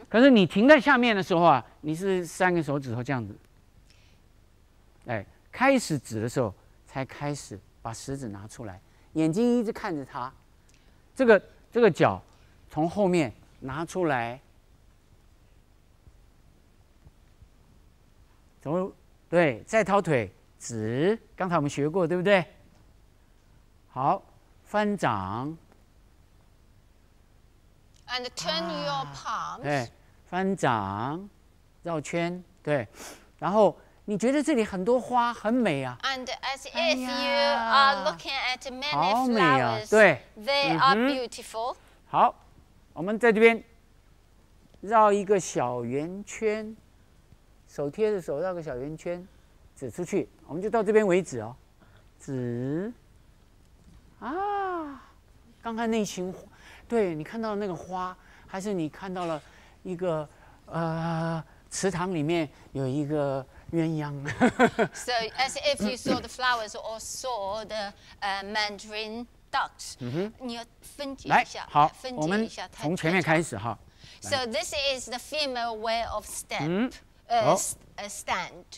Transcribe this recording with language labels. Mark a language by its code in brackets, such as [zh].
[zh] 可是你停在下面的时候啊，你是三个手指头这样子，哎，开始指的时候才开始把食指拿出来，眼睛一直看着它，这个脚从后面拿出来，走，对，再掏腿指，刚才我们学过对不对？好，翻掌。 [en] And turn your palms. [zh] 对，翻掌，绕圈，对。然后你觉得这里很多花，很美啊。 [en] And as if you are looking at many flowers. [zh] 好美啊！对。 [en] They are beautiful. [zh] 好，我们在这边绕一个小圆圈，手贴着手绕个小圆圈，指出去，我们就到这边为止哦。指，啊，刚才那群花。对，你看到那个花，还是你看到了一个池塘里面有一个鸳鸯。 [en] So as if you saw the flowers or saw the mandarin ducks, [zh] 你要分解一下，好，分解一下，从前面开始哈。 [en] So this is the female way of stamp, stand.